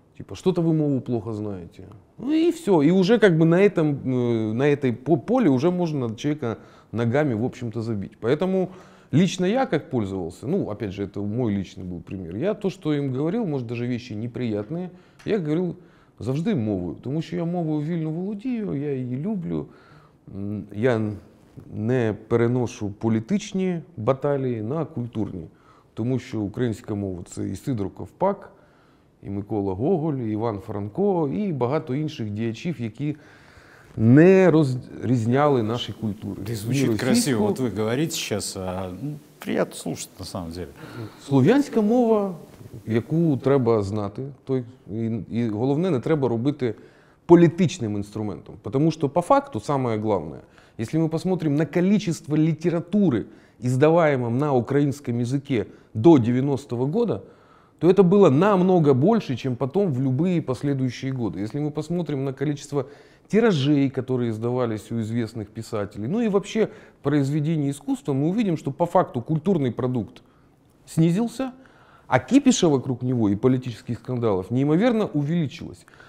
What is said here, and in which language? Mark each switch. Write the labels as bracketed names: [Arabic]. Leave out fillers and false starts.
[Russian] Типа, что-то вы мову плохо знаете. Ну и все. И уже как бы на этой поле уже можно человека ногами, в общем-то, забить. Поэтому Лично я как пользовался, ну, опять же, это мой личный был пример. Я то, что им говорил, может, даже вещи неприятные, я говорил [Ukrainian] завжди мовою. Тому що я мовою вільно володію, я її люблю. Я не переношу політичні баталії на культурні. Тому що українська мова – це і Сидор Ковпак, і Микола Гоголь, і Іван Франко, і багато інших діячів, які не розрізняли наші культури. Ти звучить російську... красиво, от ви говорите зараз, а приятно слухати [Russian] на самом деле. [Ukrainian] Слов'янська мова, яку треба знати, той, і головне, не треба робити політичним інструментом. Тому що по факту, саме головне, якщо ми подивимося на кількість літератури, [Russian] издаваемом на украинском языке до 90-го года, то это было намного больше, чем потом в любые последующие годы. Если мы посмотрим на количество тиражей, которые издавались у известных писателей, ну и вообще произведений искусства, мы увидим, что по факту культурный продукт снизился, а кипиша вокруг него и политических скандалов неимоверно увеличилось.